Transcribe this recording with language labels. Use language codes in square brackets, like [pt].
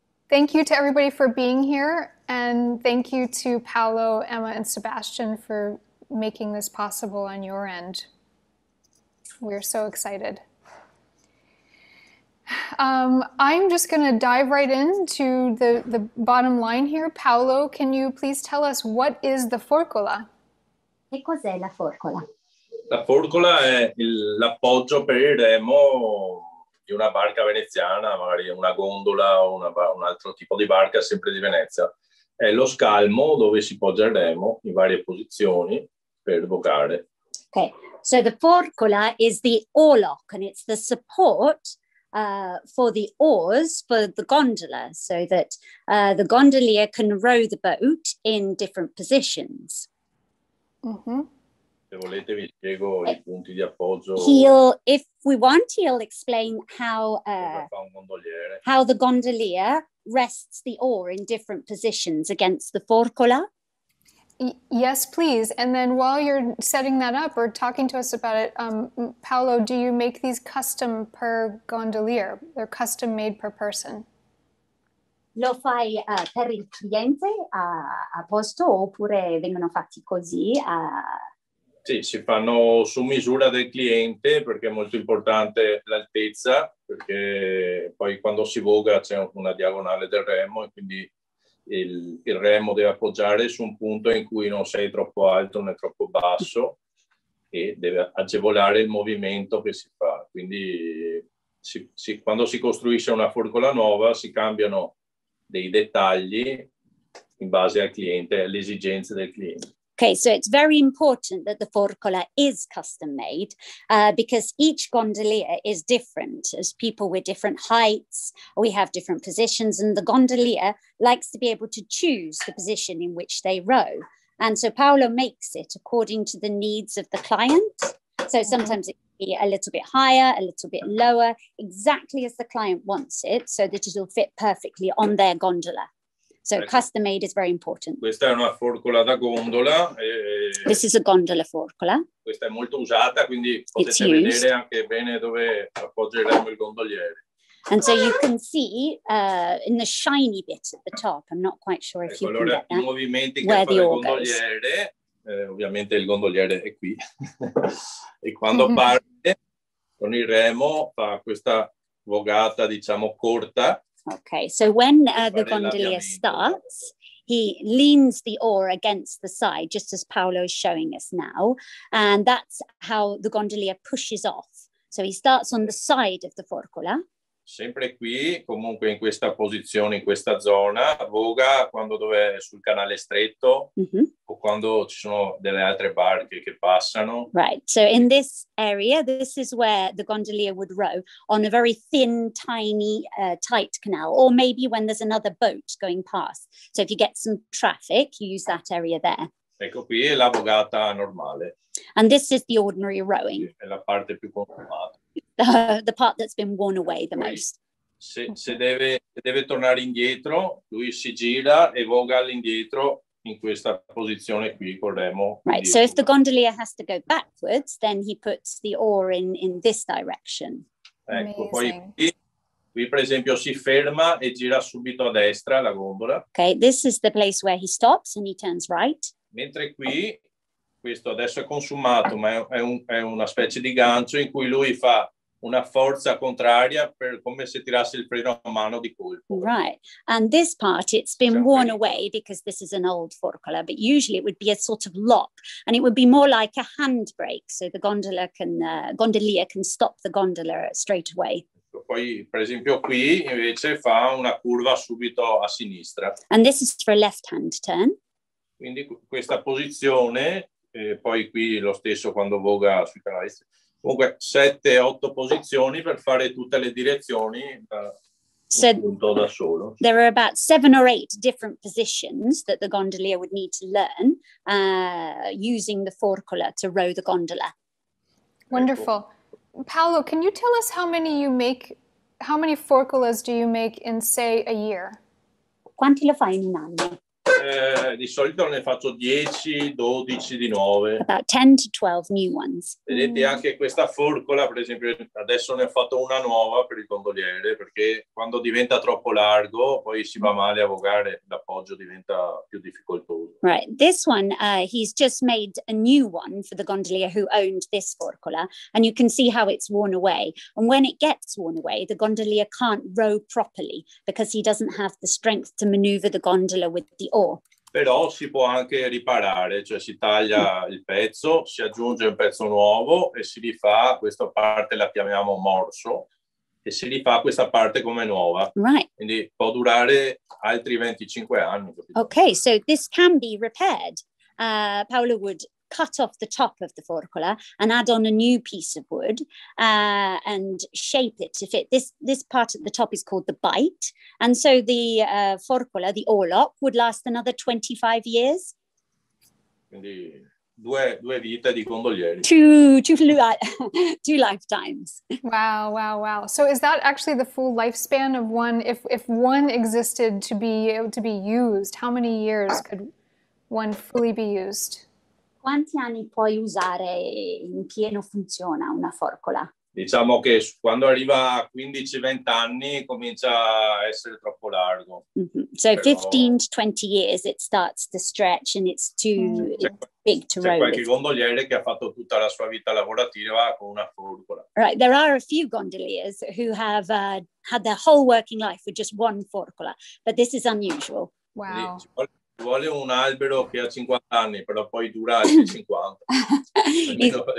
[en] Thank you to everybody for being here, and thank you to Paolo, Emma, and Sebastian for making this possible on your end. We're so excited. I'm just gonna dive right into the bottom line here. Paolo, can you please tell us what is the forcola? [it] Che cos'è la forcola? La forcola è l'appoggio per il remo di una barca veneziana, magari una gondola o un altro tipo di barca, sempre di Venezia. È lo scalmo dove si poggia il remo in varie posizioni. [en] Okay, so the forcola is the oarlock, and it's the support for the oars for the gondola, so that the gondolier can row the boat in different positions. [it] Se volete vi spiego I punti di appoggio. [en] If we want, he'll explain how the gondolier rests the oar in different positions against the forcola. Yes, please. And then while you're setting that up or talking to us about it, Paolo, do you make these custom per gondolier? They're custom made per person? [it] Lo fai per il cliente a posto oppure vengono fatti così? Sì, si fanno su misura del cliente perché è molto importante l'altezza, perché poi quando si voga c'è una diagonale del remo e quindi il remo deve appoggiare su un punto in cui non sei troppo alto né troppo basso e deve agevolare il movimento che si fa. Quindi quando si costruisce una forcola nuova si cambiano dei dettagli in base al cliente, alle esigenze del cliente. [en] Okay, so it's very important that the forcola is custom made because each gondolier is different. As people with different heights, we have different positions, and the gondolier likes to be able to choose the position in which they row. And so Paolo makes it according to the needs of the client. So sometimes it can be a little bit higher, a little bit lower, exactly as the client wants it, so that it'll fit perfectly on their gondola. So custom made is very important. [it] Questa è una forcola da gondola. [en] This is a gondola forcola. [it] Questa è molto usata, quindi potete vedere anche bene dove appoggeremo il gondoliere. [en] And so you can see in the shiny bit at the top. I'm not quite sure if you [it] allora, [en] can get that. [it] I movimenti che fa il gondoliere. Ovviamente il gondoliere è qui. E quando parte con il remo fa questa vogata, diciamo, corta. [en] Okay, so when the gondolier starts, he leans the oar against the side, just as Paolo is showing us now, and that's how the gondolier pushes off. So he starts on the side of the forcola. [it] Sempre qui, comunque in questa posizione, in questa zona, voga quando dove è sul canale stretto o quando ci sono delle altre barche che passano. [en] Right, so in this area, this is where the gondolier would row, on a very thin, tiny, tight canal, or maybe when there's another boat going past. So if you get some traffic, you use that area there. [it] Ecco qui è la vogata normale. [en] And this is the ordinary rowing. [it] È la parte più consumata. [en] The part that's been worn away the most. [it] Se deve tornare indietro, lui si gira e voga all'indietro in questa posizione qui col remo. [en] Right, so if the gondolier has to go backwards, then he puts the oar in this direction. [it] Ecco, [en] amazing. [it] Poi qui per esempio si ferma e gira subito a destra la gondola. [en] Okay, this is the place where he stops and he turns right. [it] Mentre qui, questo adesso è consumato, ma è una specie di gancio in cui lui fa una forza contraria per come se tirasse il freno a mano di colpo. [en] Right, and this part it's been worn away because this is an old forcola, but usually it would be a sort of lock and it would be more like a handbrake, so the gondolier can stop the gondola straight away. [it] Poi, per esempio, qui invece fa una curva subito a sinistra. [en] And this is for a left-hand turn. [it] Quindi questa posizione, poi qui lo stesso quando voga sui canali. Comunque, 7-8 posizioni per fare tutte le direzioni punto da solo. [en] There are about 7 or 8 different positions that the gondolier would need to learn using the forcola to row the gondola. Wonderful. Paolo, can you tell us how many forcolas do you make in, say, a year? [it] Quanti lo fai in un anno? Di solito ne faccio 10, 12 di nuove. [en] About 10 to 12 new ones. [it] Vedete anche questa forcola, per esempio, adesso ne ho fatto una nuova per il gondoliere, perché quando diventa troppo largo, poi si va male a vogare, l'appoggio diventa più difficoltoso. [en] Right, this one, he's just made a new one for the gondolier who owned this forcola, and you can see how it's worn away. And when it gets worn away, the gondolier can't row properly, because he doesn't have the strength to maneuver the gondola with the oar. [it] Però si può anche riparare, cioè si taglia il pezzo, si aggiunge un pezzo nuovo e si rifà, questa parte la chiamiamo morso, e si rifà questa parte come nuova. [en] Right. [it] Quindi può durare altri 25 anni. [en] Ok, so this can be repaired. Paolo would cut off the top of the forcola and add on a new piece of wood and shape it to fit. This part at the top is called the bite, and so the forcola, the oarlock, would last another 25 years. [it] Quindi due vite di gondolieri. [en] Two lifetimes. Wow. So is that actually the full lifespan of one? If one existed to be used, how many years could one fully be used? [it] Quanti anni puoi usare in pieno funziona una forcola? Diciamo che quando arriva a 15-20 anni comincia a essere troppo largo. Mm-hmm. [en] So [it] però [en] 15 to 20 years it starts to stretch and it's too big to row. [it] C'è qualche gondoliere che ha fatto tutta la sua vita lavorativa con una forcola. [en] Right, there are a few gondoliers who have had their whole working life with just one forcola, but this is unusual. Wow. [it] Vuole un albero che ha 50 anni, però poi dura altri 50.